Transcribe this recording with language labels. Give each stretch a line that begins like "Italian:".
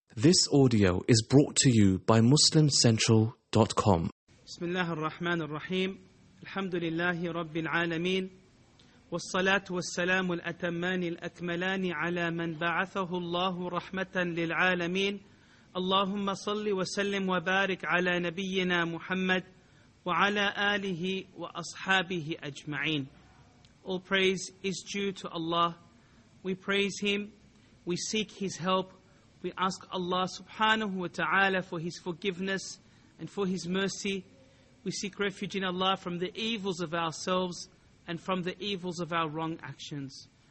English: This audio is brought to you by MuslimCentral.com.
Arabic: بسم الله الرحمن الرحيم الحمد لله رب العالمين والصلاة والسلام الأتمان الأكملان على من بعثه الله رحمة للعالمين اللهم صل وسلم وبارك على نبينا محمد وعلى آله وأصحابه أجمعين.
English: All praise is due to Allah. We praise Him. We seek His help. We ask Allah subhanahu wa ta'ala for His forgiveness and for His mercy. We seek refuge in Allah from the evils of ourselves and from the evils of our wrong actions.